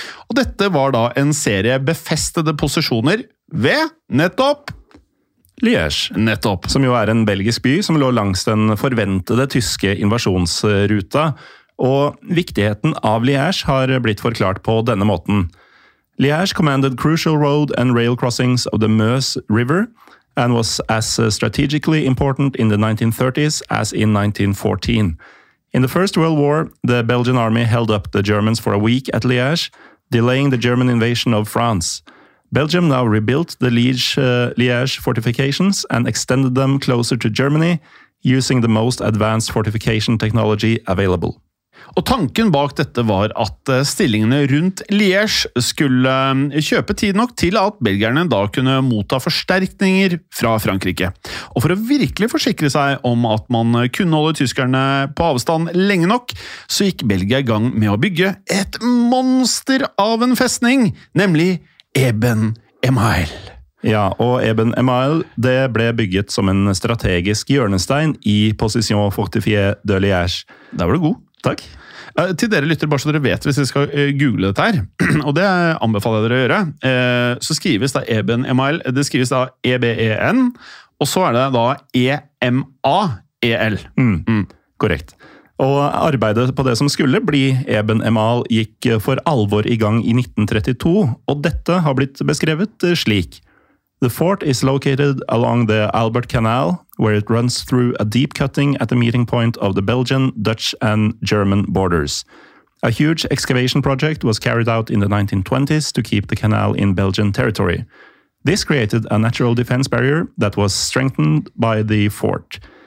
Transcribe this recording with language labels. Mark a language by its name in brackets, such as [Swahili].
[Norwegian] Og dette var da en serie befestede posisjoner ved nettopp Liège, nettopp, som jo er en belgisk by som lå langs den forventede tyske invasjonsruta. Og viktigheten av Liège har blitt forklart på denne måten. [English] Liège commanded crucial road and rail crossings of the Meuse River and was as strategically important in the 1930s as in 1914. In the First World War, the Belgian army held up the Germans for a week at Liège, delaying the German invasion of France. Belgium now rebuilt the Liège fortifications and extended them closer to Germany using the most advanced fortification technology available. [Norwegian] Og tanken bak dette var at stillingene rundt Liège skulle kjøpe tid nok til at belgierne da kunne motta forsterkninger fra Frankrike. Og for å virkelig forsikre seg om at man kunne holde tyskerne på avstand lenge nok, så gikk Belgia I gang med å bygge et monster av en festning, nemlig Eben-Emael. Ja, og Eben-Emael, det ble bygget som en strategisk hjørnestein I Position Fortifiée de Liège. Der var det god. Takk. Til dere lytter bare så dere vet hvis dere skal google dette her, og det anbefaler jeg dere å gjøre, så skrives da Eben-Emael, det skrives da E-B-E-N, og så det da E-M-A-E-L. Mm. Mm. Korrekt. Og arbeidet på det som skulle bli Eben-Emael gikk for alvor I gang I 1932, og dette har blitt beskrevet slik. [English] The fort is located along the Albert Canal, where it runs through a deep cutting at the meeting point of the Belgian, Dutch and German borders. A huge excavation project was carried out in the 1920s to keep the canal in Belgian territory. This created a natural defense barrier that was strengthened by the fort.